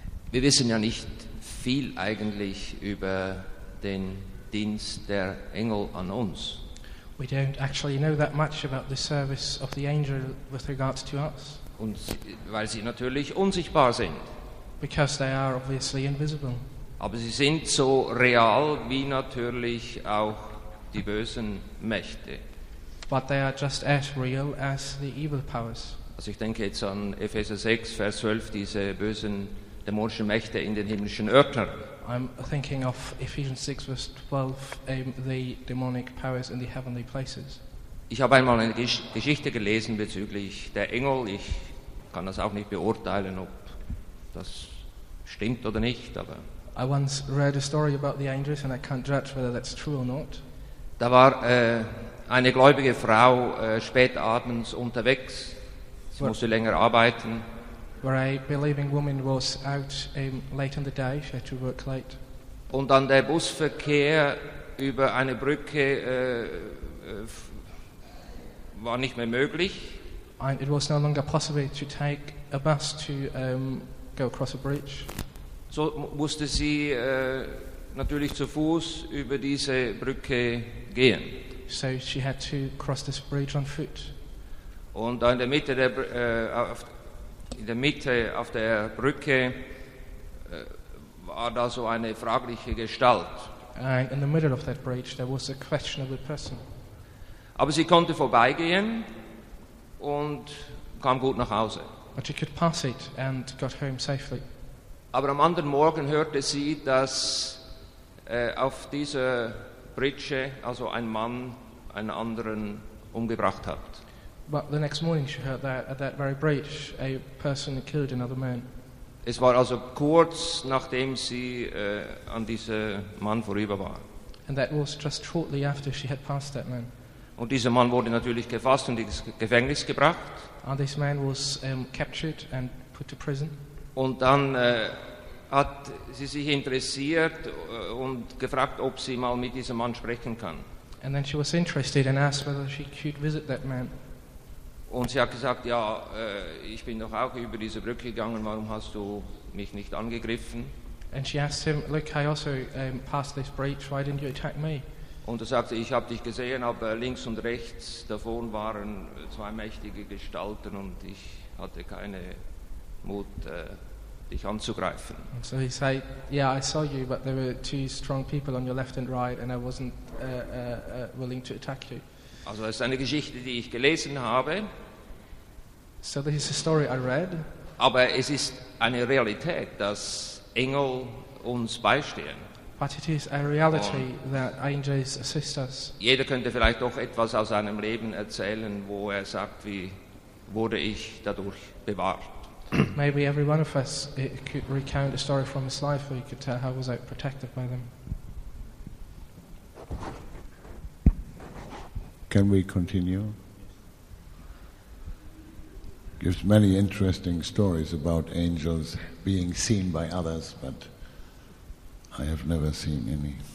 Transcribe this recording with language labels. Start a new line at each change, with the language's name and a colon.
German: Wir wissen ja nicht viel eigentlich über den Dienst der Engel an uns.
English: We don't actually know that much about the service of the angel with regards to us.
German: Und weil sie natürlich unsichtbar sind.
English: Because they are obviously invisible.
German: Aber sie sind so real wie natürlich auch die bösen Mächte.
English: But they are just as real as the evil powers.
German: Also ich denke jetzt an Epheser 6, Vers 12, diese bösen dämonischen Mächte in den himmlischen Örtern.
English: I'm thinking of Ephesians 6, verse 12, the demonic powers in the heavenly places.
German: Ich habe einmal eine Geschichte gelesen bezüglich der Engel. Ich kann das auch nicht beurteilen, ob das stimmt oder nicht. Aber
English: I once read a story about the angels and I can't judge whether that's true or not.
German: Da war eine gläubige Frau spät abends unterwegs. Sie musste länger arbeiten.
English: Where a believing woman was out late in the day, she had to work late.
German: Und dann der Busverkehr über eine Brücke war nicht mehr möglich.
English: And it was no longer possible to take a bus to go across a bridge.
German: So musste sie natürlich zu Fuß über diese Brücke gehen.
English: So she had to cross this bridge on foot.
German: Und da in der Mitte auf der Brücke war da so eine fragliche Gestalt.
English: And in the middle of that bridge there was a questionable person.
German: Aber sie konnte vorbeigehen und kam gut nach Hause.
English: But she could pass it and got home safely.
German: Aber am anderen Morgen hörte sie, dass auf dieser Brücke also ein Mann einen anderen umgebracht hat.
English: But the next morning she heard that at that very bridge a person killed another man.
German: Es war also kurz nachdem sie an diesem Mann vorüber war.
English: And that was just shortly after she had passed that man.
German: Und dieser Mann wurde natürlich gefasst und ins Gefängnis gebracht.
English: And this man was captured and put to prison.
German: Und dann hat sie sich interessiert und gefragt, ob sie mal mit diesem Mann sprechen kann.
English: And then she was interested and asked whether she could visit that man.
German: Und sie hat gesagt, ja, ich bin doch auch über diese Brücke gegangen, warum hast du mich nicht angegriffen?
English: And she asked him, look, I also passed this bridge, why didn't you attack me?
German: Und er sagte, ich habe dich gesehen, aber links und rechts davon waren zwei mächtige Gestalten und ich hatte keine Mut, dich anzugreifen.
English: And so he said, yeah, I saw you, but there were two strong people on your left and right and I wasn't willing to attack you.
German: Also es ist eine Geschichte, die ich gelesen habe.
English: So this is a story I read.
German: Aber es ist eine Realität, dass Engel uns beistehen.
English: But it is a reality that angels assist us.
German: Jeder könnte vielleicht doch etwas aus seinem Leben erzählen, wo er sagt, wie wurde ich dadurch bewahrt.
English: Maybe every one of us could recount a story from his life where he could tell how was I protected by them. Can we continue? Gives many interesting stories about angels being seen by others, but I have never seen any.